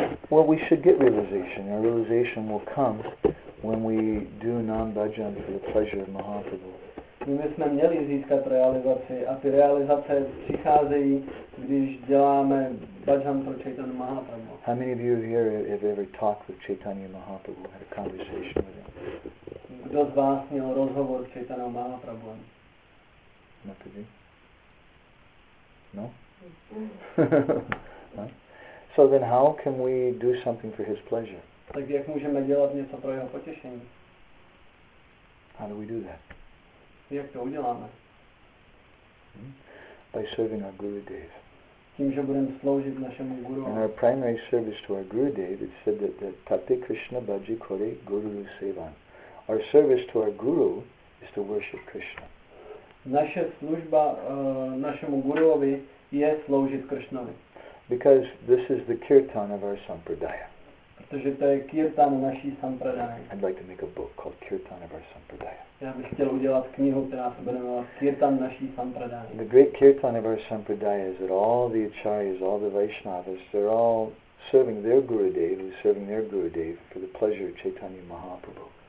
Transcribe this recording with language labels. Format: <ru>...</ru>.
<en>Well, we should get realization. Our realization will come when we do non-bhajan for the pleasure of Mahaprabhu.</en> <cs>My bychom měli získat realizaci a ty realizace přicházejí, když děláme bhajan pro Chaitanya Mahaprabhu.</cs> <en>How many of you here have ever talked with Chaitanya Mahaprabhu, had a conversation with him?</en> <cs>Kdo z vás měl rozhovor s Chaitanya Mahaprabhu?</cs> <en>Not today. No? So then how can we do something for his pleasure?</en> <cs>Tak jak můžeme dělat něco pro jeho potěšení?</cs> <en>How do we do that?</en> <cs>Jak to uděláme?</cs> <en>By serving our Gurudev.</en> <cs>Tím, že budeme sloužit našemu guru.</cs> <en>In our primary service to our Gurudev, it said that</en> <bn>Tate Krishna Bhaji Kore Guru Sevan.</bn> <en>Our service to our guru is to worship Krishna.</en> <cs>Naše služba našemu guruovi je sloužit Krishnovi.</cs> <en>Because this is the kirtan of our sampradaya.</en> <cs>Protože to je kirtan naší sampradaya.</cs> <en>I'd like to make a book called Kirtan of our Sampradaya.</en> <cs>Já bych chtěl udělat knihu, která se bude jmenovat Kirtan naší sampradaya.</cs> <en>The great kirtan of our sampradaya is that all the acharyas, all the Vaishnavas, they're all serving their Gurudev, who's serving their Gurudev for the pleasure of Chaitanya Mahaprabhu.</en>